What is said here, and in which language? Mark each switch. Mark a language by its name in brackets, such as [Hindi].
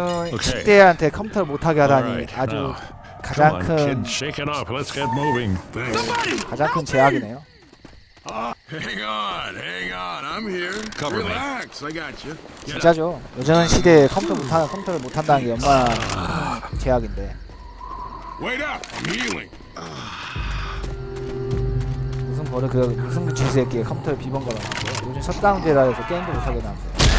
[Korean] 10대한테 컴퓨터 못하게 하다니 아주 가장 큰 가장 큰 제약이네요. [English] Hang on, I'm here. Relax, I got you. [Korean] 진짜죠. 요즘 시대에 컴퓨터를 못한다는 게 엄마 제약인데. [English] Wait up, I'm healing. [Korean] 무슨 버릇, 무슨 쥐새끼에 컴퓨터를 비번 걸어놨고. 요즘 셧다운제라 해서 게임도 못하게 나왔어요.